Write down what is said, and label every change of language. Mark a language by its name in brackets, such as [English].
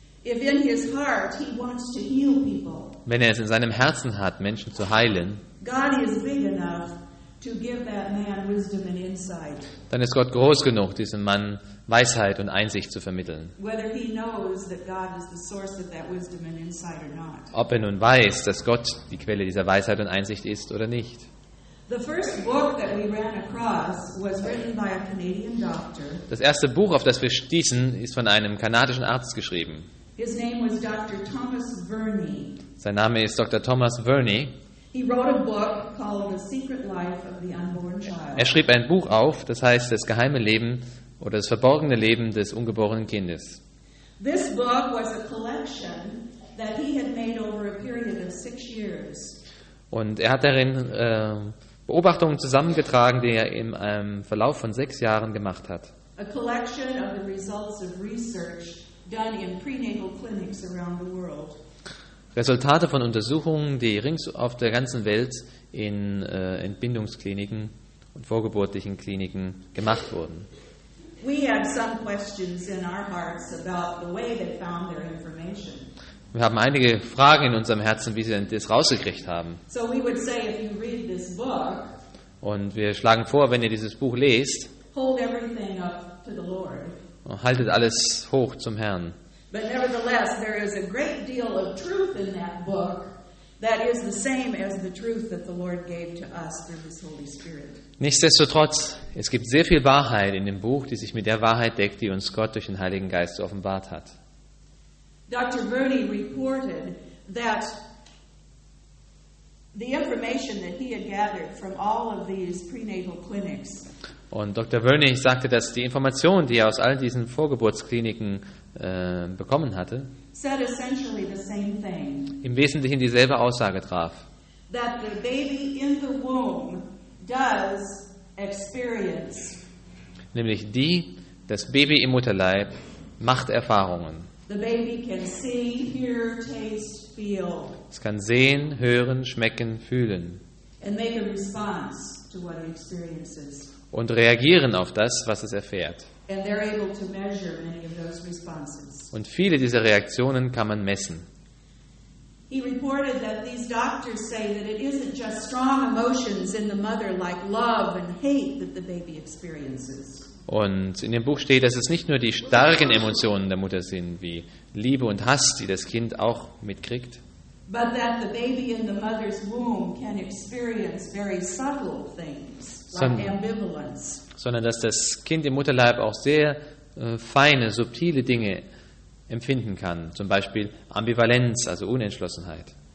[English] if in his heart he wants to heal people, [German] wenn er es in seinem Herzen hat, Menschen zu heilen, [English] God is big enough to give that man wisdom and insight, [German] dann ist Gott groß genug, diesem Mann Weisheit und Einsicht zu vermitteln. [English] Whether he knows that God is the source of that wisdom and insight or not. [German] Ob er nun weiß, dass Gott die Quelle dieser Weisheit und Einsicht ist oder nicht. [English] The first book that we ran across was written by a Canadian doctor. [German] Das erste Buch, auf das wir stießen, ist von einem kanadischen Arzt geschrieben. [English] His name was Dr. Thomas Verney. [German] Sein Name ist Dr. Thomas Verney. [English] He wrote a book called The Secret Life of the Unborn Child. [German] Er schrieb ein Buch auf, das heißt Das geheime Leben oder Das verborgene Leben des ungeborenen Kindes. [English] This book was a collection that he had made over a period of 6 years. [German] Und er hat darin Beobachtungen zusammengetragen, die er in einem Verlauf von 6 Jahren gemacht hat. [English] A collection of the results of research done in prenatal clinics around the world. [German] Resultate von Untersuchungen, die rings auf der ganzen Welt in Entbindungskliniken und vorgeburtlichen Kliniken gemacht wurden. [English] We had some questions in our hearts about the way they found their information. [German] Wir haben einige Fragen in unserem Herzen, wie sie das rausgekriegt haben. [English] So we would say, if you read this book, [German] und wir schlagen vor, wenn ihr dieses Buch lest, [English] hold everything up to the Lord. [German] Haltet alles hoch zum Herrn. [English] But nevertheless, there is a great deal of truth in that book that is the same as the truth that the Lord gave to us through His Holy Spirit. [German] Nichtsdestotrotz, es gibt sehr viel Wahrheit in dem Buch, die sich mit der Wahrheit deckt, die uns Gott durch den Heiligen Geist offenbart hat. [English] Dr. Verney reported that The information that he had gathered from all of these prenatal clinics. [German] Und Dr. Wernig sagte, dass die Information, die er aus all diesen Vorgeburtskliniken bekommen hatte, [English] said essentially the same thing. [German] Im Wesentlichen dieselbe Aussage traf. [English] That the baby in the womb does experience. [German] Nämlich die, das Baby im Mutterleib macht Erfahrungen. [English] The baby can see, hear, taste, feel. [German] Es kann sehen, hören, schmecken, fühlen. [English] And make a response to what it experiences. [German] Und reagieren auf das, was es erfährt. [English] And they're able to measure many of those responses. [German] Und viele dieser Reaktionen kann man messen. [English] He reported that these doctors say that it isn't just strong emotions in the mother like love and hate that the baby experiences. [German] Und in dem Buch steht, dass es nicht nur die starken Emotionen der Mutter sind, wie Liebe und Hass, die das Kind auch mitkriegt, [English] but that the baby in the mother's womb can experience very subtle things, like ambivalence. [German] Sondern dass das Kind im Mutterleib auch sehr feine, subtile Dinge empfinden kann, zum Beispiel Ambivalenz, also Unentschlossenheit.